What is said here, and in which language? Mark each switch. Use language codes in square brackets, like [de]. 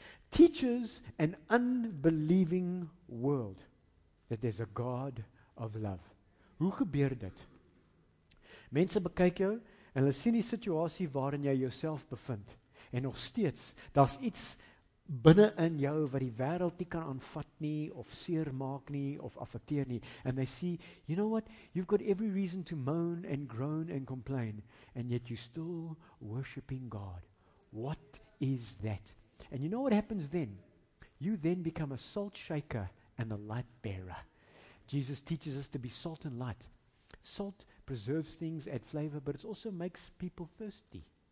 [en] teaches an unbelieving world that there's a God of love. [af] Hoe gebeur dit? Mense bekyk jou en hulle sien die situasie waarin jy jouself bevind. En nog steeds, daar's iets binne in jou wat die wêreld nie kan aanvat nie of seer maak nie of affekteer nie. [en] And they see, you know what, you've got every reason to moan and groan and complain and yet you're still worshiping God. What is that? And you know what happens then? You then become a salt shaker and a light bearer. Jesus teaches us to be salt and light. Salt preserves things, adds flavor, but it also makes people thirsty.